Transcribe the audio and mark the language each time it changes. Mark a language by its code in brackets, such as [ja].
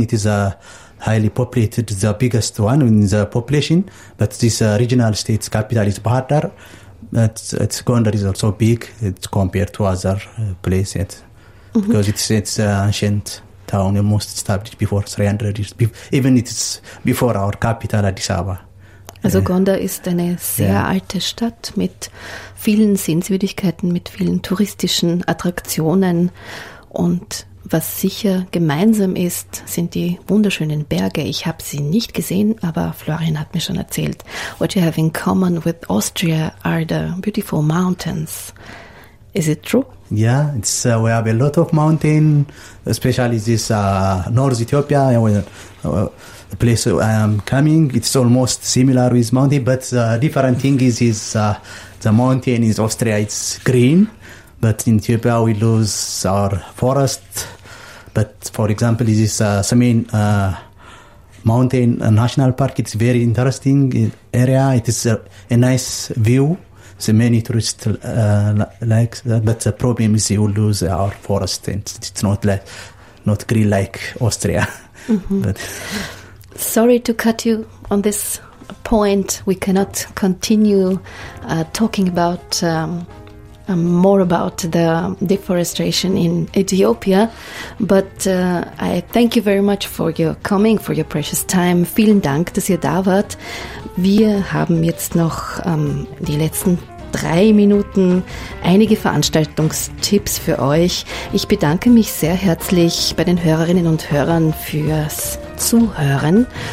[en] It is a highly populated, the biggest one in the population, but this regional state's capital is Bahar Dar. It's Gondar is also big, it's compared to other places, mm-hmm. because it's an ancient town, almost established before 300 years, even it's before our capital, Addis Ababa. [de] Also Gondar ist eine sehr alte Stadt mit vielen Sehenswürdigkeiten, mit vielen touristischen Attraktionen, und was sicher gemeinsam ist, sind die wunderschönen Berge. Ich habe sie nicht gesehen, aber Florian hat mir schon erzählt. [en] What you have in common with Austria are the beautiful mountains. Is it true? Yeah, it's we have a lot of mountains, especially this North Ethiopia, the place I am coming. It's almost similar with mountain, but the different thing is the mountain in Austria, it's green. But in Ethiopia, we lose our forest. But for example, this is Semin Mountain National Park. It's a very interesting area. It is a nice view. So many tourists like that. But the problem is you lose our forest. And it's not green like Austria. Mm-hmm. But sorry to cut you on this point we cannot continue talking about more about the deforestation in Ethiopia, but I thank you very much for your coming, for your precious time. [de] Vielen Dank, dass ihr da wart. Wir haben jetzt noch die letzten 3 Minuten einige Veranstaltungstipps für euch. Ich bedanke mich sehr herzlich bei den Hörerinnen und Hörern fürs Zuhören.